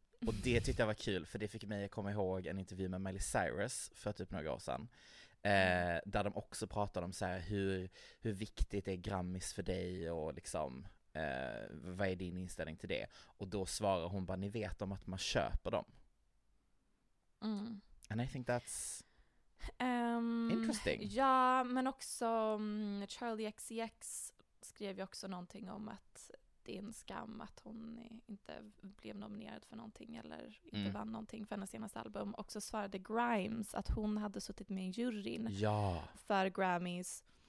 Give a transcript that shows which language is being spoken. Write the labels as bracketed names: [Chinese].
[Swedish] Och det tyckte jag var kul, för det fick mig komma ihåg en intervju med Miley Cyrus för typ några år sedan. Där de också pratade om så här, hur viktigt är Grammys för dig och liksom, vad är din inställning till det? Och då svarar hon bara, ni vet om att man köper dem. Mm. [English] And I think that's interesting. [Swedish] Ja, men också Charlie XCX skrev ju också någonting om att det är en skam att hon inte blev nominerad för någonting eller inte vann någonting för hennes senaste album. Och så svarade Grimes att hon hade suttit med i juryn för Grammys.